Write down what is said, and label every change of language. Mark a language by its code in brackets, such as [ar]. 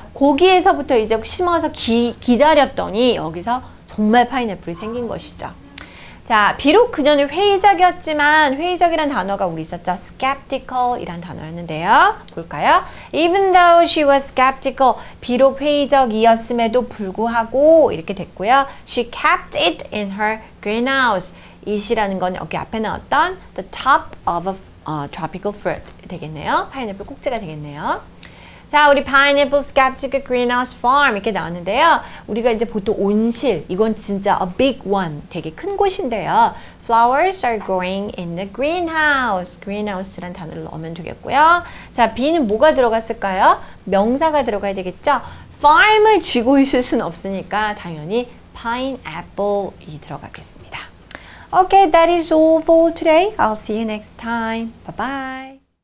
[ko] 거기에서부터 이제 심어서 기다렸더니 여기서 정말 파인애플이 생긴 것이죠. 자, 비록 그녀는 회의적이었지만 회의적이란 단어가 우리 있었죠. skeptical 이란 단어였는데요. 볼까요? [en] Even though she was skeptical, [ko] 비록 회의적이었음에도 불구하고 이렇게 됐고요. [en] She kept it in her greenhouse. It [ko] 이라는 건 여기 앞에 나왔던 [en] the top of a tropical fruit [ko] 되겠네요. 파인애플 꼭지가 되겠네요. 자, 우리 Pineapple Skeptical Greenhouse Farm 이렇게 나왔는데요. 우리가 이제 보통 온실, 이건 진짜 [en] a big one, [ko] 되게 큰 곳인데요. [en] Flowers are growing in the greenhouse. [ko] Greenhouse라는 단어를 넣으면 되겠고요. 자, be는 뭐가 들어갔을까요? 명사가 들어가야 되겠죠? Farm을 쥐고 있을 순 없으니까 당연히 Pineapple이 들어가겠습니다. [en] Okay, that is all for today. I'll see you next time. Bye-bye.